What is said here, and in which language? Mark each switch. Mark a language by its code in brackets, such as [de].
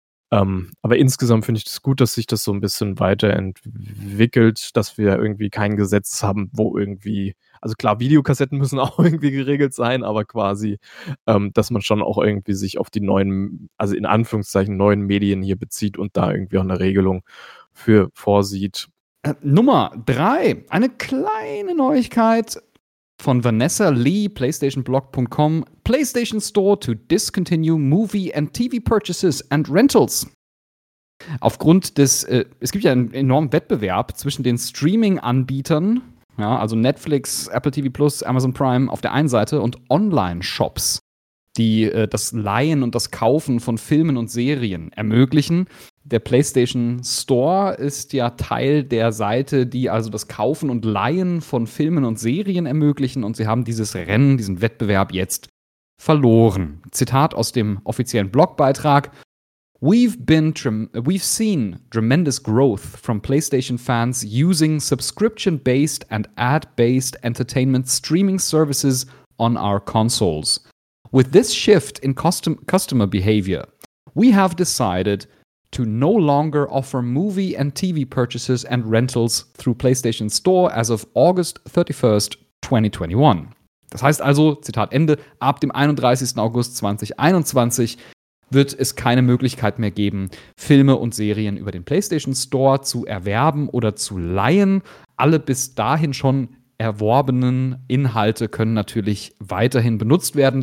[de] Aber insgesamt finde ich das gut, dass sich das so ein bisschen weiterentwickelt, dass wir irgendwie kein Gesetz haben, wo irgendwie, also klar, Videokassetten müssen auch irgendwie geregelt sein, aber quasi, dass man schon auch irgendwie sich auf die neuen, also in Anführungszeichen neuen Medien hier bezieht und da irgendwie auch eine Regelung für vorsieht. Nummer 3, eine kleine Neuigkeit von Vanessa Lee, PlayStationBlog.com. [en] PlayStation Store to discontinue movie and TV purchases and rentals. [de] Aufgrund des, es gibt ja einen enormen Wettbewerb zwischen den Streaming-Anbietern, ja, also Netflix, Apple TV Plus, Amazon Prime auf der einen Seite und Online-Shops, die das Leihen und das Kaufen von Filmen und Serien ermöglichen. Der PlayStation Store ist ja Teil der Seite, die also das Kaufen und Leihen von Filmen und Serien ermöglichen und sie haben dieses Rennen, diesen Wettbewerb jetzt verloren. Zitat aus dem offiziellen Blogbeitrag: [en] We've seen tremendous growth from PlayStation fans using subscription-based and ad-based entertainment streaming services on our consoles. With this shift in customer behavior, we have decided to no longer offer movie and TV purchases and rentals through PlayStation Store as of August 31st, 2021. [de] Das heißt also, Zitat Ende, ab dem 31. August 2021 wird es keine Möglichkeit mehr geben, Filme und Serien über den PlayStation Store zu erwerben oder zu leihen. Alle bis dahin schon erworbenen Inhalte können natürlich weiterhin benutzt werden.